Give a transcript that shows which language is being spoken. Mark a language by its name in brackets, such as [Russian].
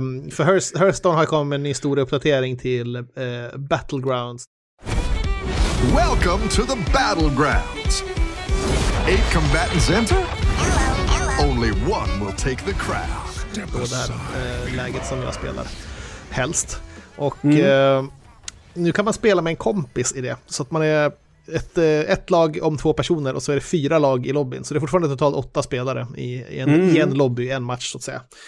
[Swedish] För Hearthstone har kommit med en ny stor uppdatering till Battlegrounds. [English] Welcome to the Battlegrounds. 8 combatants enter. Only one will take the crown. [Swedish] Det är det här läget som jag spelar helst. Och nu kan man spela med en kompis i det. Så att man är ett lag om två personer och så är det fyra lag i lobbyn. Så det är fortfarande totalt 8 spelare i en lobby, i en match så att säga.